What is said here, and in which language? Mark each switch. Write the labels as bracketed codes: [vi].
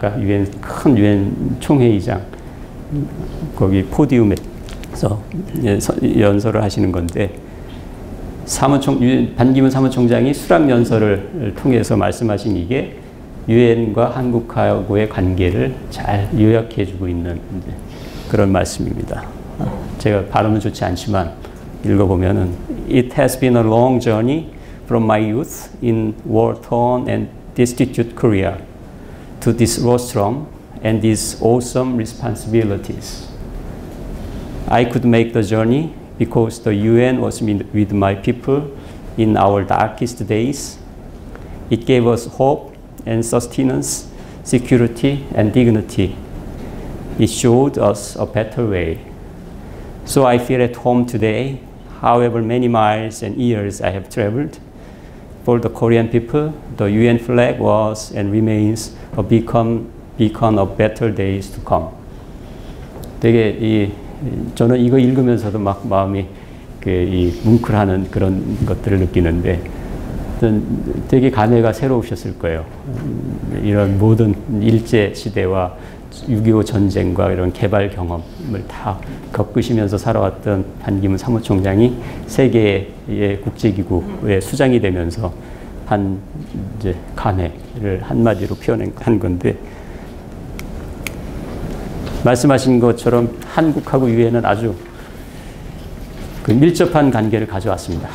[ko] 아까 유엔 큰 유엔 총회의장 거기 포디움에서 연설을 하시는 건데 반기문 사무총장이 수락 연설을 통해서 말씀하신 이게 유엔과 한국하고의 관계를 잘 요약해주고 있는 그런 말씀입니다. 제가 발음은 좋지 않지만 읽어보면은 [en] It has been a long journey from my youth in war-torn and destitute Korea to this rostrum and these awesome responsibilities. I could make the journey because the UN was with my people in our darkest days. It gave us hope and sustenance, security and dignity. It showed us a better way. So I feel at home today, however many miles and years I have traveled. For the Korean people, the UN flag was and remains a beacon of better days to come. [ko] 되게 이 저는 이거 읽으면서도 막 마음이 그 이 뭉클하는 그런 것들을 느끼는데 되게 감회가 새로우셨을 거예요. 이런 모든 일제시대와 6.25 전쟁과 이런 개발 경험을 다 겪으시면서 살아왔던 반기문 사무총장이 세계의 국제기구의 수장이 되면서 한 이제 감회를 한마디로 표현한 건데 말씀하신 것처럼 한국하고 유엔은 아주 그 밀접한 관계를 가져왔습니다.